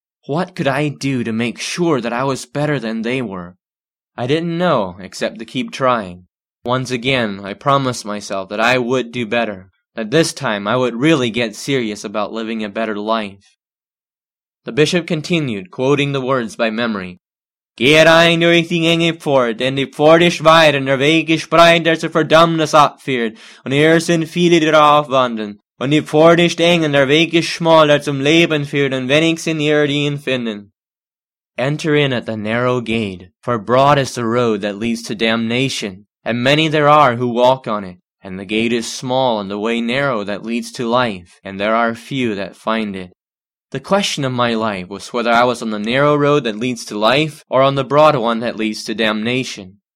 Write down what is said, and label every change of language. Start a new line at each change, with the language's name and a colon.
English: What could I do to make sure that I was better than they were? I didn't know, except to keep trying. Once again, I promised myself that I would do better, that this time I would really get serious about living a better life. The bishop continued, quoting the words by memory.
German: Geht ein durch die enge Pfort, denn die Pfort ist weit und der Weg ist breit, der zur Verdammnis abführt, und hier sind viele, die darauf wandeln, und die Pfort ist eng und der Weg ist schmal, der zum Leben führt, und wenig sind hier, die ihn finden.
English: Enter in at the narrow gate, for broad is the road that leads to damnation. And many there are who walk on it, and the gate is small and the way narrow that leads to life, and there are few that find it. The question of my life was whether I was on the narrow road that leads to life or on the broad one that leads to damnation.